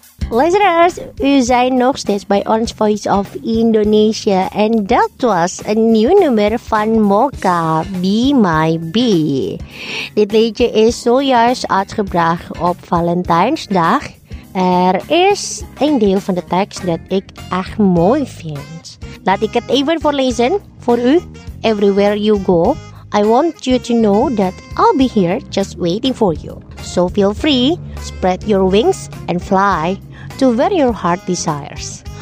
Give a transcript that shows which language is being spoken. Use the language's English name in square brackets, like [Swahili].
[English] Listeners, Usain Knox stage by Orange Voice of Indonesia, and that was a new number Van Mocha, Be My Be. [Dutch] Dit liedje is zojuist uitgebracht op Valentijnsdag. Er is een deel van de tekst dat ik echt mooi vind. Laat ik het even voorlezen voor u. [English] Everywhere you go, I want you to know that I'll be here just waiting for you. So feel free, spread your wings and fly to where your heart desires.